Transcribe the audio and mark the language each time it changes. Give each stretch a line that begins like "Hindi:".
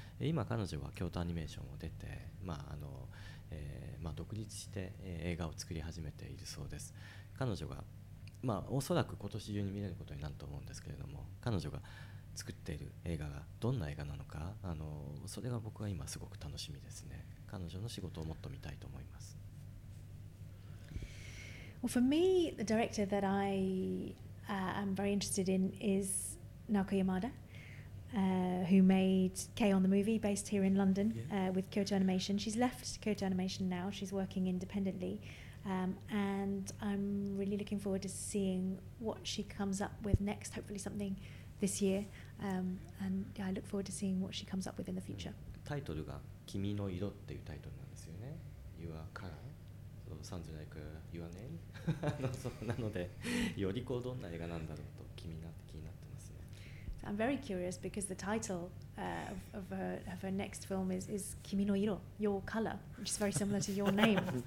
Japanese: 今彼女は京都アニメーションを出て、まあまあ独立して映画を作り始めているそうです。彼女がまあおそらく今年中に見れることになると思うんですけれども、彼女が作っている映画がどんな映画なのか、それが僕は今すごく楽しみですね。彼女の仕事をもっと見たいと思います。
English: Well, for me, the director that I am very interested in is Naoko Yamada, who made K on the Movie based here in London, with Kyoto Animation. She's left Kyoto Animation now. She's working independently. And I'm really looking forward to seeing what she comes up with next. Hopefully something this year, and yeah, I look forward to seeing what she comes up with in the future.
Japanese: Title が君の色っていうタイトルなんですよね。
English: Your color, so sounds like your name.
Japanese: そうなので、よりこうどんな映画なんだろうと気になって気になってますね。
English: So I'm very curious because the title of her next film is 君の色, your color, which is very similar to your name.